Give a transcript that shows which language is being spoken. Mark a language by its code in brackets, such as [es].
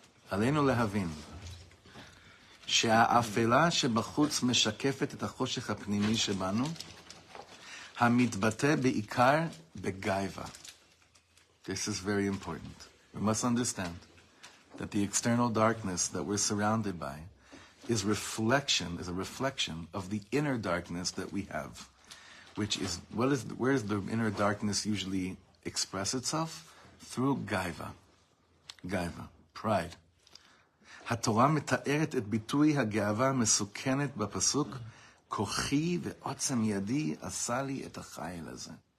[he] עלינו להבין שהאפלה שבחוץ משקפת את החושך הפנימי שבנו המתבטא בעיקר בגאיבה. [en] This is very important. We must understand that the external darkness that we're surrounded by is a reflection of the inner darkness that we have, which is, what is, where is the inner darkness usually express itself? Through gaiva. Gaiva, pride. [he] התורה מתארת את ביטוי הגאווה המסוכנת בפסוק, כוחי ועוצם ידי עשה לי את החיל הזה.